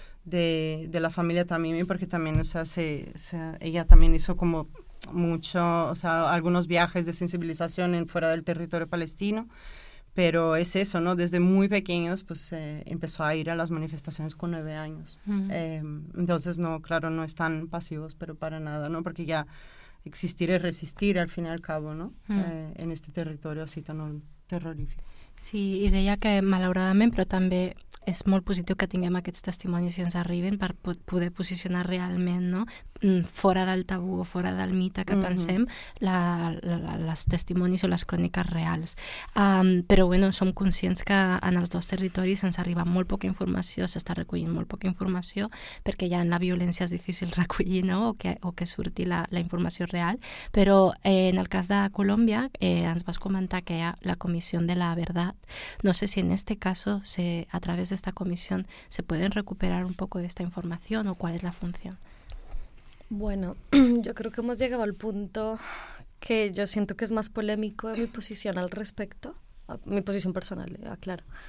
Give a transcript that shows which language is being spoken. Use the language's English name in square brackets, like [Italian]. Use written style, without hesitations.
[Spanish] De la familia Tamimi, porque también, o sea, ella también hizo como mucho, o sea, algunos viajes de sensibilización en fuera del territorio palestino, pero es eso, ¿no? Desde muy pequeños, pues, empezó a ir a las manifestaciones con 9 años. Uh-huh. Entonces, no, claro, no están pasivos, pero para nada, ¿no? Porque ya existir es resistir, al fin y al cabo, ¿no? Uh-huh. En este territorio así tan terrorífico. [Catalan] Sí, i deia que malauradament, però també és molt positiu que tinguem aquests testimonis i ens arribin per poder posicionar realment, no? Fora del tabú o fora del mite que pensem, les testimonis o les cròniques reals. Però bueno, som conscients que en els dos territoris ens arriba molt poca informació, s'està recollint molt poca informació, perquè ja en la violència és difícil recollir, no? o que surti la informació real. Però en el cas de Colòmbia, ens vas comentar que hi ha la Comissió de la Verdad. [Spanish] No sé si en este caso, a través de esta comisión, se pueden recuperar un poco de esta información o cuál es la función. Bueno, yo creo que hemos llegado al punto que yo siento que es más polémico en mi posición al respecto, mi posición personal, aclaro.